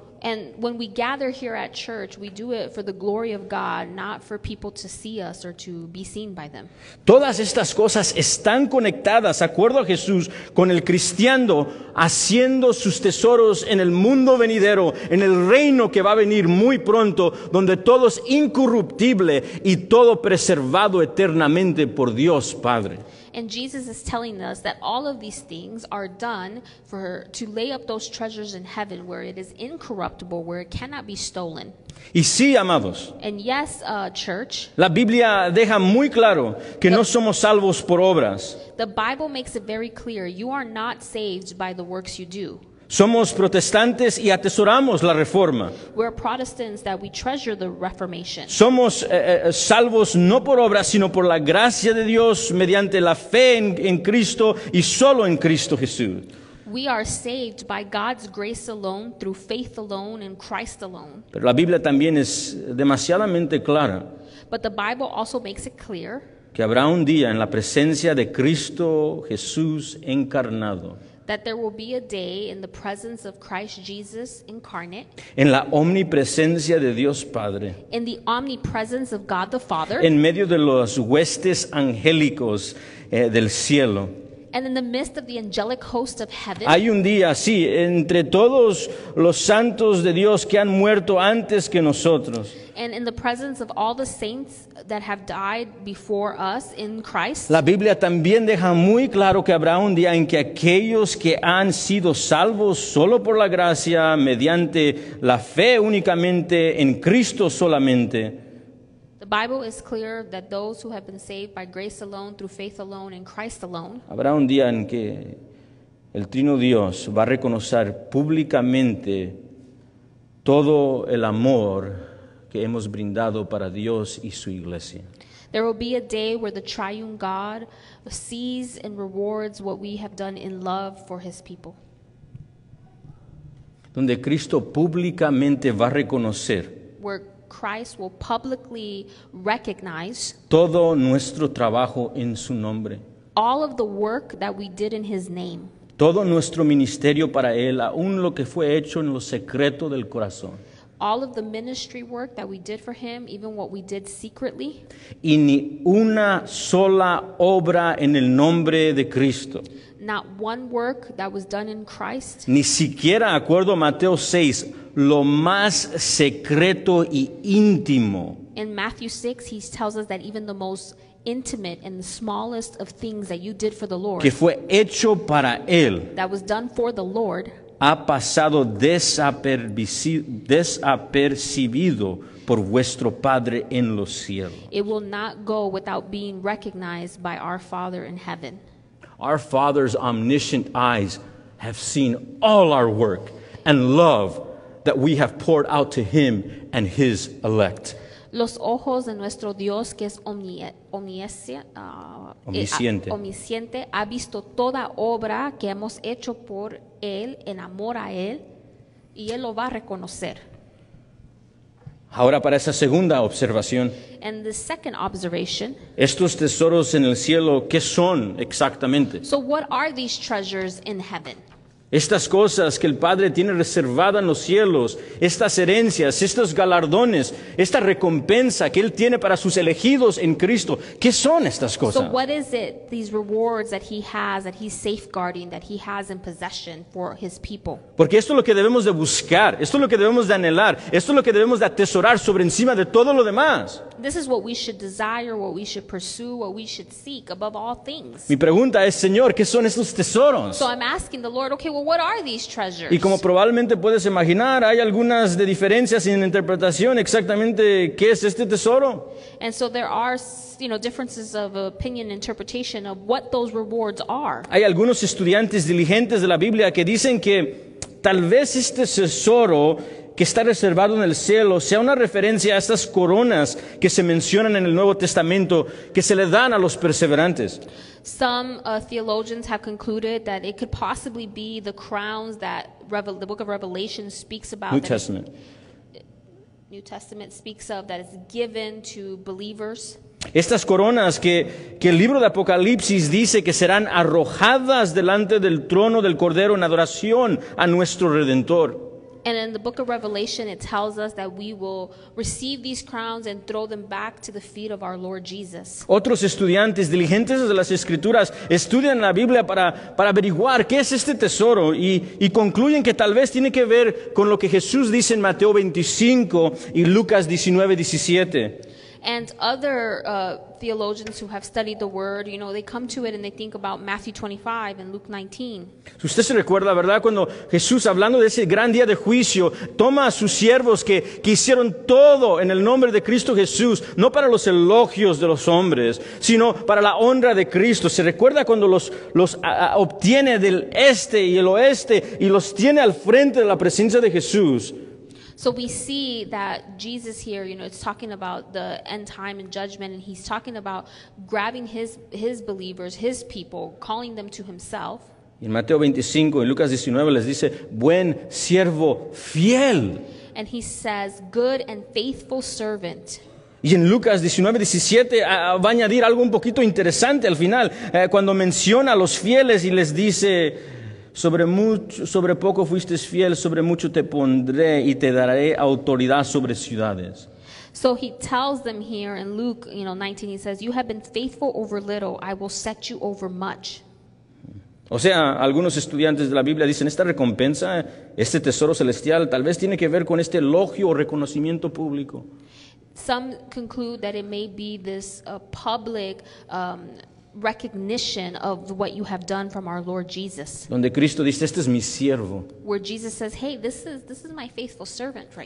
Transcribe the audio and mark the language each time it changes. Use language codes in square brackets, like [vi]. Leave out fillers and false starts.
[en] And when we gather here at church, we do it for the glory of God, not for people to see us or to be seen by them. [es] Todas estas cosas están conectadas, acuerdo a Jesús, con el cristiano haciendo sus tesoros en el mundo venidero, en el reino que va a venir muy pronto, donde todo es incorruptible y todo preservado eternamente por Dios Padre. [en] And Jesus is telling us that all of these things are done for her, to lay up those treasures in heaven where it is incorruptible, where it cannot be stolen. [es] Y sí, amados. [en] And yes, church. [es] La Biblia deja muy claro que no somos salvos por obras. [en] The Bible makes it very clear you are not saved by the works you do. [es] Somos protestantes y atesoramos la reforma. [en] We're Protestants that we treasure the Reformation. [es] Somos salvos no por obras, sino por la gracia de Dios mediante la fe en Cristo y solo en Cristo Jesús. [en] We are saved by God's grace alone, through faith alone, and Christ alone. [es] Pero la Biblia también es demasiadamente clara. [en] But the Bible also makes it clear [es] que habrá un día en la presencia de Cristo Jesús encarnado. [en] That there will be a day in the presence of Christ Jesus incarnate. [es] En la omnipresencia de Dios Padre. [en] In the omnipresence of God the Father. [es] En medio de los huestes angélicos del cielo. [en] And in the midst of the angelic host of heaven. [es] Hay un día, sí, entre todos los santos de Dios que han muerto antes que nosotros. [en] And in the presence of all the saints that have died before us in Christ. [es] La Biblia también deja muy claro que habrá un día en que aquellos que han sido salvos solo por la gracia, mediante la fe únicamente en Cristo solamente. [en] The Bible is clear that those who have been saved by grace alone, through faith alone, and Christ alone. [es] Habrá un día en que el Trino Dios va a reconocer públicamente todo el amor que hemos brindado para Dios y su iglesia. [en] There will be a day where the triune God sees and rewards what we have done in love for his people. [es] Donde Cristo públicamente va a reconocer [en] where Christ will publicly recognize [es] todo nuestro trabajo en su nombre. [en] All of the work that we did in his name. [es] Todo nuestro ministerio para él, aun lo que fue hecho en lo secreto del corazón. [en] All of the ministry work that we did for him, even what we did secretly. [es] Y ni una sola obra en el nombre de Cristo. [en] Not one work that was done in Christ. [es] Ni siquiera, acuerdo a Mateo 6, lo más secreto y íntimo. [en] In Matthew 6, he tells us that even the most intimate and the smallest of things that you did for the Lord. [es] Que fue hecho para él. [en] That was done for the Lord. [es] Ha pasado desapercibido por vuestro Padre en los cielos. [en] It will not go without being recognized by our Father in heaven. Our Father's omniscient eyes have seen all our work and love that we have poured out to him and his elect. [es] Los ojos de nuestro Dios que es omnisciente ha visto toda obra que hemos hecho por él en amor a él y él lo va a reconocer. Ahora para esa segunda observación. [en] And the second observation. [es] Estos tesoros en el cielo, ¿qué son exactamente? [en] So what are these treasures in heaven? [es] Estas cosas que el Padre tiene reservadas en los cielos, estas herencias, estos galardones, esta recompensa que Él tiene para sus elegidos en Cristo, ¿qué son estas cosas? [en] So what is it, these rewards that He has, that He's safeguarding, that He has in possession for His people? [es] Porque esto es lo que debemos de buscar, esto es lo que debemos de anhelar, esto es lo que debemos de atesorar sobre encima de todo lo demás. [en] This is what we should desire, what we should pursue, what we should seek above all things. [es] Mi pregunta es, Señor, ¿qué son estos tesoros? [en] So I'm asking the Lord, okay, well, what are these treasures? [es] Y como probablemente puedes imaginar, hay algunas de diferencias en interpretación exactamente qué es este tesoro. [en] And so there are, you know, differences of opinion, interpretation of what those rewards are. [es] Hay algunos estudiantes diligentes de la Biblia que dicen que tal vez este tesoro que está reservado en el cielo sea una referencia a estas coronas que se mencionan en el Nuevo Testamento que se le dan a los perseverantes. [en] Some theologians have concluded that it could possibly be the crowns that the book of Revelation speaks about. New Testament speaks of that is given to believers. [es] Estas coronas que el libro de Apocalipsis dice que serán arrojadas delante del trono del Cordero en adoración a nuestro Redentor. [en] And in the book of Revelation, it tells us that we will receive these crowns and throw them back to the feet of our Lord Jesus. [es] Otros estudiantes diligentes de las Escrituras estudian la Biblia para averiguar qué es este tesoro y concluyen que tal vez tiene que ver con lo que Jesús dice en Mateo 25 y Lucas 19:17. [en] And other theologians who have studied the word, you know, they come to it and they think about Matthew 25 and Luke 19. [es] Usted se recuerda, ¿verdad? Cuando Jesús, hablando de ese gran día de juicio, toma a sus siervos que hicieron todo en el nombre de Cristo Jesús, no para los elogios de los hombres, sino para la honra de Cristo. ¿Se recuerda cuando los obtiene del este y el oeste y los tiene al frente de la presencia de Jesús? [en] So we see that Jesus here, you know, it's talking about the end time and judgment, and he's talking about grabbing his believers, his people, calling them to himself. [es] En Mateo 25 y Lucas 19 les dice, buen siervo fiel. [en] And he says, good and faithful servant. [es] Y en Lucas 19:17 va a añadir algo un poquito interesante al final, cuando menciona a los fieles y les dice, sobre poco fuiste fiel, sobre mucho te pondré y te daré autoridad sobre ciudades. [en] So he tells them here in Luke, you know, 19, he says, you have been faithful over little, I will set you over much. [es] O sea, algunos estudiantes de la Biblia dicen, esta recompensa, este tesoro celestial, tal vez tiene que ver con este elogio o reconocimiento público. [en] Some conclude that it may be this public recognition of what you have done from our Lord Jesus. [es] Donde Cristo dice, este es mi siervo. [en] Where Jesus says, hey, this is my faithful servant right